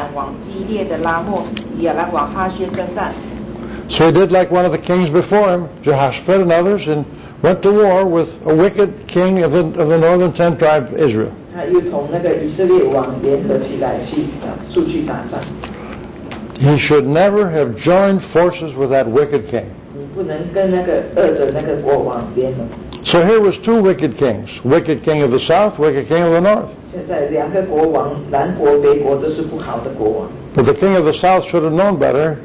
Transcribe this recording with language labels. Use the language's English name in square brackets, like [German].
[Chinese] 第五节，他听从亚哈家的计谋，同以色列王亚哈儿子约兰往基列的拉莫与亚兰王哈薛征战。 [English] So he did like one of the kings before him, Jehoshaphat and others, and went to war with a wicked king of the northern ten tribe Israel. [Chinese] 他又同那个以色列王联合起来去出去打仗。 [English] He should never have joined forces with that wicked king. [Chinese] 你不能跟那个恶的那个国王联合。 [English] So here was two wicked kings, wicked king of the south, wicked king of the north. [Chinese] 现在两个国王, 南国、北国都是不好的国王。 [English] But the king of the south should have known better.